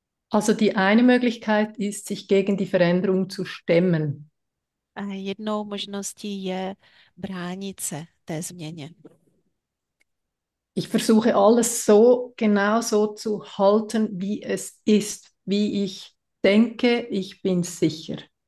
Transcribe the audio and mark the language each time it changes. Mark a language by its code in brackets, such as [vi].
[de] Also die eine Möglichkeit ist, sich gegen die Veränderung zu stemmen. [cs] Jednou možností je bránit se té změně. [de] Ich versuche alles so genau so zu halten, wie es ist, wie ich denke, ich bin sicher.